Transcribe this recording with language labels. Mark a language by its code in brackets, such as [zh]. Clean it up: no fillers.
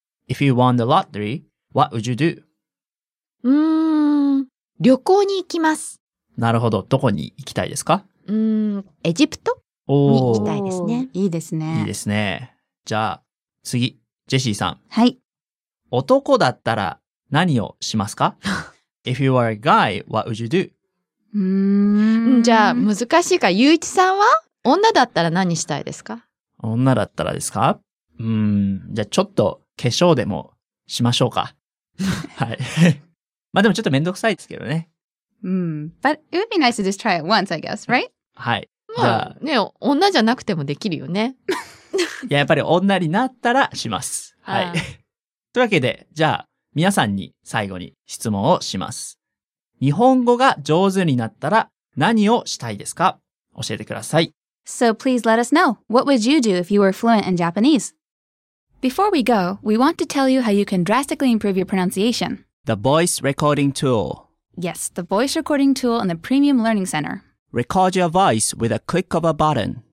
[en] If you won the lottery, what would you do? [ja] 旅行に行きます。なるほど。どこに行きたいですか? エジプトに行きたいですね。いいですね。いいですね。じゃあ、次、ジェシーさん。はい。男だったら何をしますか? [en] If you are a guy, what would you do? [ja] じゃあ、難しいか。ゆういちさんは女だったら何したいですか? 女だったらですか? じゃあちょっと化粧でもしましょうか。はい。まあでもちょっとめんどくさいですけどね。 [en] But it would be nice to just try it once, I guess, right? [ja] はい。まあね、女じゃなくてもできるよね。いや、やっぱり女になったらします。はい。というわけで、じゃあ皆さんに最後に質問をします。日本語が上手になったら何をしたいですか? 教えてください。 [en] So please let us know, what would you do if you were fluent in Japanese? Before we go, we want to tell you how you can drastically improve your pronunciation. The voice recording tool. Yes, the voice recording tool in the Premium Learning Center. Record your voice with a click of a button.